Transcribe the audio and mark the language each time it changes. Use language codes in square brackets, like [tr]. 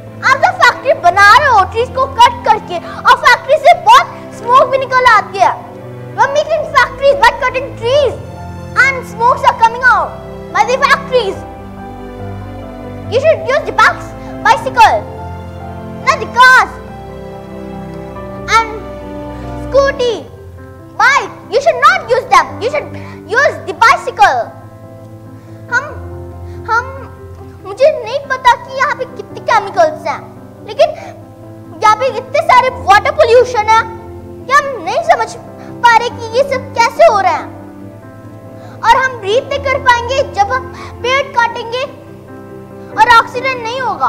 [hi] आप तो फैक्ट्री बना रहे हो ट्रीज को कट करके और फैक्ट्री से बहुत स्मोक भी निकल आती है। [en] We are making factories by cutting trees and smokes are coming out by the factories. You should use the bicycle, not the cars and scooty, bike. You should not use them. You should use the bicycle. [hi] मुझे नहीं पता कि यहाँ पे कितने chemicals हैं, लेकिन यहाँ पे इतने सारे वाटर पोल्यूशन है कि हम नहीं समझ पा रहे कि ये सब कैसे हो रहा है। और हम ब्रीथ नहीं कर पाएंगे जब हम पेड़ काटेंगे और ऑक्सीजन नहीं होगा।